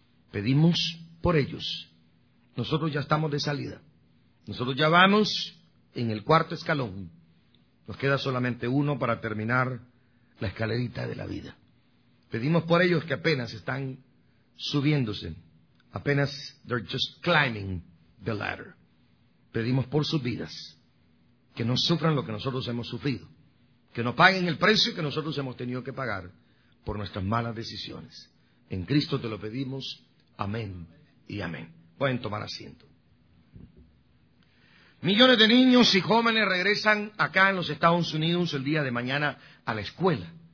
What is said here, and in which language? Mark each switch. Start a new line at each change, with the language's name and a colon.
Spanish: Pedimos por ellos. Nosotros ya estamos de salida. Nosotros ya vamos en el cuarto escalón. Nos queda solamente uno para terminar la escalerita de la vida. Pedimos por ellos que apenas están subiéndose. Apenas
English: they're just climbing the ladder.
Spanish: Pedimos por sus vidas. Que no sufran lo que nosotros hemos sufrido. Que no paguen el precio que nosotros hemos tenido que pagar por nuestras malas decisiones. En Cristo te lo pedimos. Amén y amén. Pueden tomar asiento. Millones de niños y jóvenes regresan acá en los Estados Unidos el día de mañana a la escuela.